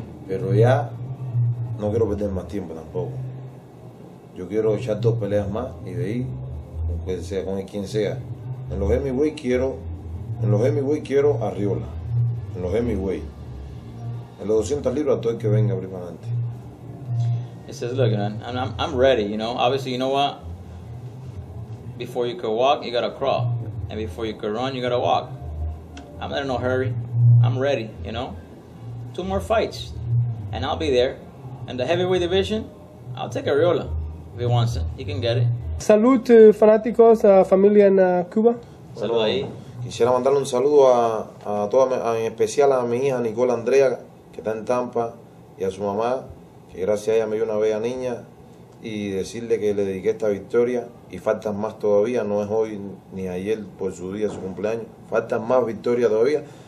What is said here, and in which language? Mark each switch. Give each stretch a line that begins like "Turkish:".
Spanish: Pero ya no quiero perder más tiempo tampoco. Yo quiero echar 2 peleas más y de ahí, pues sea con quien sea. En los heavyweight quiero, a Riola. En los heavyweight. En los 200 libras, todo el que venga abrir para adelante.
English: He says, look, man, I'm ready, you know. Obviously, you know what? Before you could walk, you gotta crawl. And before you could run, you gotta walk. I'm not in no hurry. I'm ready, you know. 2 more fights, and I'll be there. And the heavyweight division, I'll take Ariola if he wants it. He can get it.
Spanish: Salud to fanáticos, familia en Cuba. Salud ahí. Quisiera mandarle un saludo a toda, en especial a mi hija Nicole Andrea, que está en Tampa, y a su mamá, que gracias a ella me dio una bella niña, y decirle que le dediqué esta victoria, y faltan más todavía, no es hoy ni ayer por su día, su cumpleaños, faltan más victorias todavía.